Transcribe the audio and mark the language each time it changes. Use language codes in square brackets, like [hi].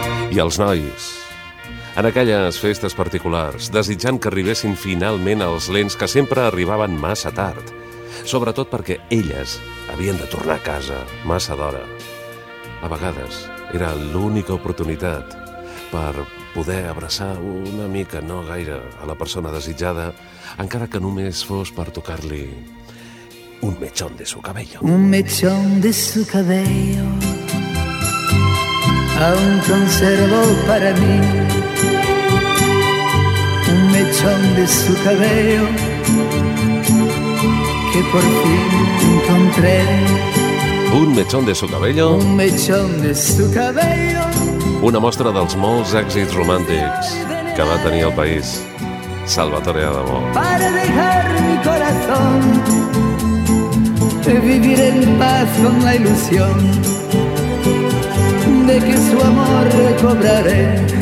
[ca] I els nois, en aquelles festes particulars, desitjant que arribessin finalment els lents que sempre arribaven massa tard, sobretot perquè elles havien de tornar a casa massa d'hora. A vegades era l'única oportunitat per poder abraçar una mica, no gaire, a la persona desitjada, encara que només fos per tocar-li [es] un mechón de su cabello. Un mechón de su cabello aún conservo para mí, un mechón de su cabello que por fin encontré. Un mechón de su cabello. Un mechón de su cabello. [ca] Una mostra dels molts èxits romàntics que va tenir el país, Salvatore Adamo. [es] Para dejar mi corazón de vivir en paz con la ilusión de que su amor recobraré.